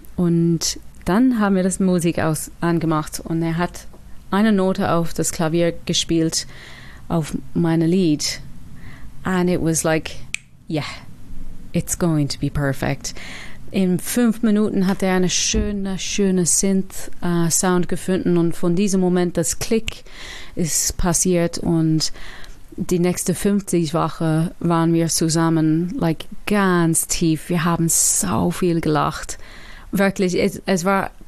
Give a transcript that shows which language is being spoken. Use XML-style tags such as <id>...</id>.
<de>Und dann haben wir das Musik angemacht und er hat eine Note auf das Klavier gespielt, auf meine Lied.</de> <en>And it was like, yeah, it's going to be perfect.</en> <de>In 5 Minuten hat er eine schöne, schöne Synth-Sound gefunden und von diesem Moment das Klick ist passiert und die nächste 50 Wochen waren wir zusammen, like ganz tief. Wir haben so viel gelacht. Wirklich, es war</de>